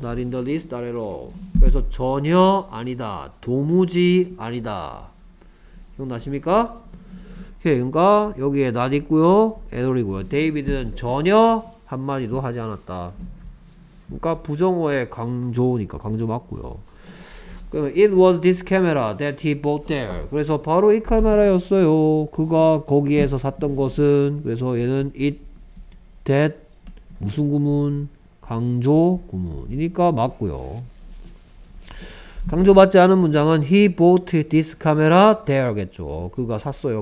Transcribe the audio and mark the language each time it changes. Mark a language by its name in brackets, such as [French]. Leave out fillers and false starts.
[English] Not in the list [Korean] 아래로. 그래서 전혀 아니다. 도무지 아니다. 기억나십니까? 오케이. 그러니까 여기에 not 있고요. at all 이고요. David는 전혀 한마디도 하지 않았다. 그러니까 부정어의 강조니까 강조 맞고요. 그럼 [English] it was this camera that he bought there. [Korean] 그래서 바로 이 카메라였어요. 그가 거기에서 샀던 것은. 그래서 얘는 it, that, 무슨 구문, 강조 구문이니까 맞고요. 강조받지 않은 문장은 [English] he bought this camera there [Korean] 겠죠. 그가 샀어요.